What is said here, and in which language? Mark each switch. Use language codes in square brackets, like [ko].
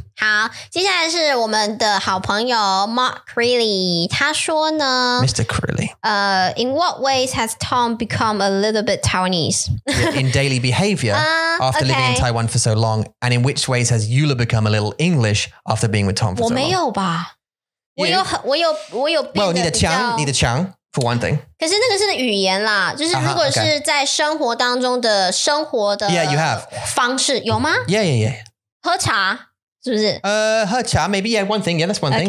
[zh] 好接下来是我们的好朋友 Mark Crilly 他说呢 [en] Mr. Crilly In what ways has Tom become a little bit Taiwanese? in daily behavior after living in Taiwan for so long And in which ways has Eula become a little English After being with Tom for so long? [zh] 我没有吧 我有变得比较你的腔 [en] For one thing. [zh] 可是那个是语言啦, 就是如果是在生活当中的生活的 [en] Yeah, you have. [zh] 方式, 有吗? [en] Yeah, yeah, yeah. [zh] 喝茶, 是不是? 喝茶, [en] maybe, yeah, one thing. Yeah, that's one thing,